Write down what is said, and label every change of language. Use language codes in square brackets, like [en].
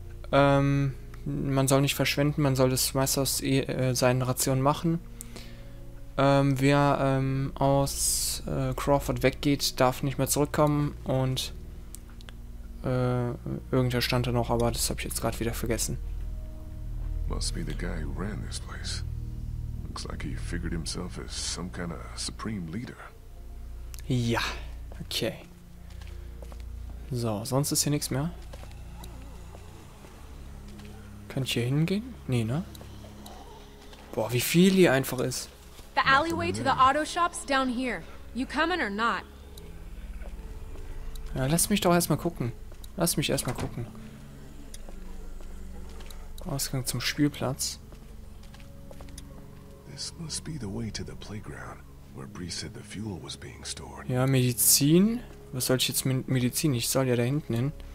[de] Man soll nicht verschwenden, man soll das meiste aus seinen Rationen machen. Wer aus Crawford weggeht, darf nicht mehr zurückkommen. Und irgendwer stand da noch, aber das habe ich jetzt gerade wieder vergessen. [en] Must be the guy who ran this place. Looks like he figured himself as some kind of supreme leader. [de] Ja, okay. So, sonst ist hier nichts mehr. Kann ich hier hingehen? Nee, ne? Boah, wie viel hier einfach ist. [en] The alleyway to the auto shop's down here. You coming or not? [de] Ja, lass mich doch erstmal gucken. Lass mich erstmal gucken. Ausgang zum Spielplatz. [en] This must be the way to the playground. Where Bree said the fuel was being stored. [de] Ja, Medizin. Was soll ich jetzt mit Medizin? Ich soll ja da hinten hin.